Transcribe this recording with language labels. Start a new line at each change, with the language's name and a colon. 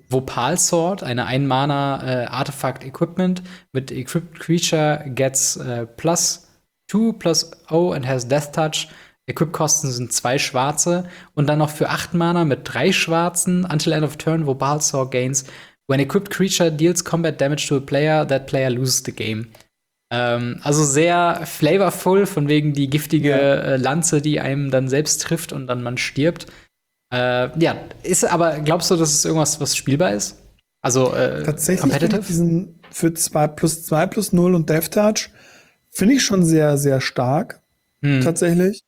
German: Vopal Sword, eine Ein-Mana-Artefakt-Equipment mit
English: Equipped Creature gets plus 2 plus 0 and has Death Touch.
German: Equip-Kosten sind 2 schwarze. Und dann noch für 8 Mana mit 3 schwarzen,
English: until end of turn, Vopal Sword gains. When equipped creature deals combat damage to a player, that player loses the game.
German: Also sehr flavorful, von wegen die Ja. giftige Lanze, die einem dann selbst trifft und dann man stirbt. Ja, ist aber, glaubst du, dass es irgendwas, was spielbar ist? Also Tatsächlich finde ich
English: competitive?
German: diesen für 2 plus 0 und Death Touch finde ich schon sehr, sehr stark. Tatsächlich.